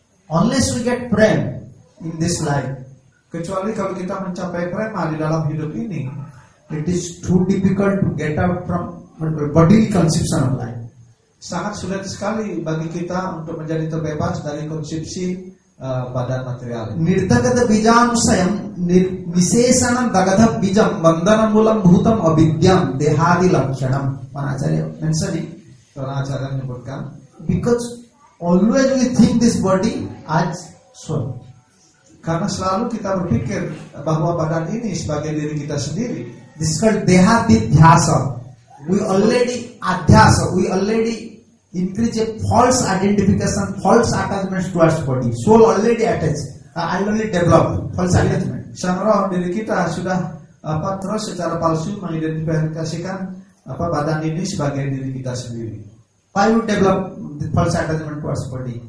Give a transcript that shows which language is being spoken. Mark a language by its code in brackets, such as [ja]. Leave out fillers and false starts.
[en] Unless we get prema in this life, [id] kecuali kalau kita mencapai prema di dalam hidup ini, [en] it is too difficult to get out from bodily conception of life. [id] Sangat sulit sekali bagi kita untuk menjadi terbebas dari konsepsi badan material. [sa] Nirthagata bijam sayam nirvisheshanam dagadha bijam bandhanam mulam bhutam avidyam dehadi lakshanam. [en] Panacharya mentioning, [id] Panacharya menyebutkan, [en] because always we think this body as soul. [id] Karena selalu kita berpikir bahwa badan ini sebagai diri kita sendiri. [en] This is called dehadidhyasa. We already adhyasa. We already increase a false identification, false attachment towards body. Soul already attached. I only develop false attachment. [id] Sangra diri kita sudah apa terus secara palsu mengidentifikasikan apa badan ini sebagai diri kita sendiri. [en] Why we develop the false attachment towards body?